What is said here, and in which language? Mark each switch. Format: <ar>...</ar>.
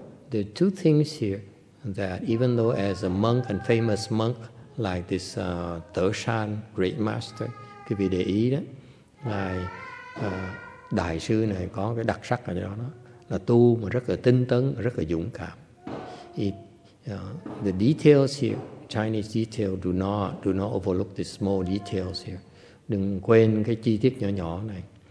<en>There are two things here that even though as a monk and famous monk, like this Tử San, great master,</en> <vi>quý vị để ý đó, ngài đại sư này có cái đặc sắc ở đó là tu mà rất là tinh tấn, rất là dũng cảm.</vi> <en>The details here, Chinese detail, do not overlook the small details here.</en> <vi>Đừng quên cái chi tiết nhỏ nhỏ này.</vi>